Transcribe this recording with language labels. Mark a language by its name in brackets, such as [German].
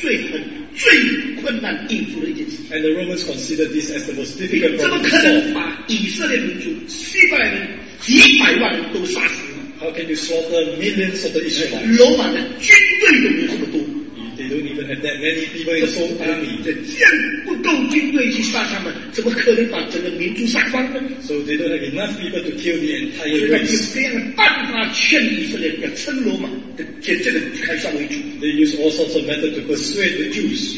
[Chinese] 所以罗马帝国就感到这是最拉扯、最困难应付的一件事情。 [English] And the Romans considered this as the most difficult problem. [Chinese] 怎么可能把以色列民族、西班牙人、几百万人都杀死了? [English] How can you slaughter millions of the Israelites? [Chinese] 罗马的军队都没这么多。 [English] They don't even have that many people in the whole army. [Chinese] 这样不够军队去杀他们，怎么可能把整个民族杀光呢？ [English] So they don't have enough people to kill the entire race. [Chinese] 所以就变了办法劝以色列要称罗马的这个凯撒为主。 [English] They use all sorts of methods to persuade the Jews.